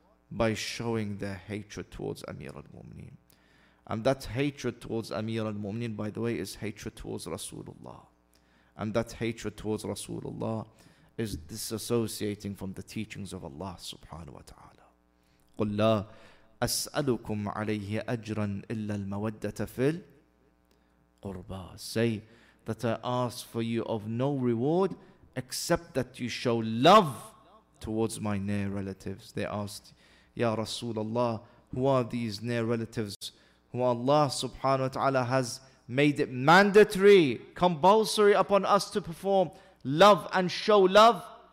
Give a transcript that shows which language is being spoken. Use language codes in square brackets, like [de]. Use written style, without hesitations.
[en] By showing their hatred towards Amir al-Mu'mineen. And that hatred towards Amir al-Mu'mineen, by the way, is hatred towards Rasulullah. And that hatred towards Rasulullah is disassociating from the teachings of Allah subhanahu wa ta'ala. [ar] قُلْ لَا أسألكم عليه أجرا إلا المودة في القربى. [en] Say that I ask for you of no reward except that you show love towards my near relatives. They asked, Ya Rasulullah, who are these near relatives who Allah subhanahu wa ta'ala has made it mandatory, compulsory upon us to perform love and show love?